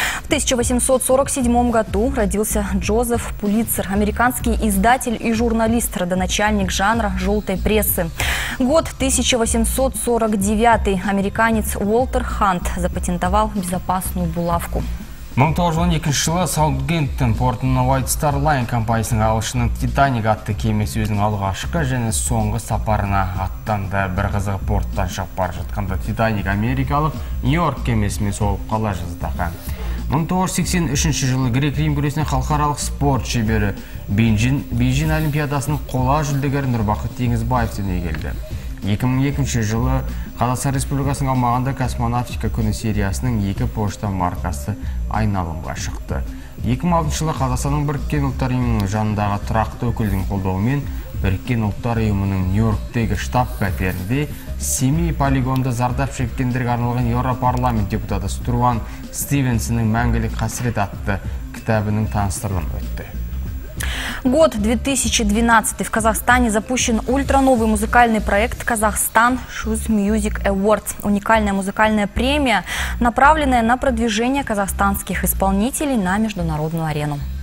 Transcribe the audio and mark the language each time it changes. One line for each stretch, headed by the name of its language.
Russian: В 1847 году родился Джозеф Пулитцер, американский издатель и журналист, родоначальник жанра желтой прессы. Год 1849. Американец Уолтер Хант запатентовал безопасную булавку.
Kazakh: 1912 жылы Саутгемптон портында White Star Line компаниясының ағылшының Титаник атты кемесі өзінің алғашқы және соңғы сапарына аттанды. Бір қызығы порттан шығып бара жатқанда Титаник америкалық Нью-Йорк кемесімен соғып қала жаздаған. 1983 жылы Грек-Рим күресінен халықаралық спорт шебері Бейжин олимпиадасының қола жүлдегері Нұрбақыт Теңізбаев дүниеге келді. 2002 жылы Қазақстан Республикасының аумағында космонавтика күні сериясының екі пошта маркасы айналымға шықты. 2006 жылы Қазақстанның Біріккен ұлттар ұйымының жанындағы тұрақты өкілдің қолдауымен Біріккен ұлттар ұйымының Нью-Йорктегі штаб пәтерінде семей полигонды зардап шеккендерге арналған Еуропарламент депутаты Струан Стивенсінің «Мәңгілік қасірет» атты кітабының таныстырылымы өтті.
Russian: Год 2012. В Казахстане запущен ультрановый музыкальный проект «Казахстан Shoes Music Awards». Уникальная музыкальная премия, направленная на продвижение казахстанских исполнителей на международную арену.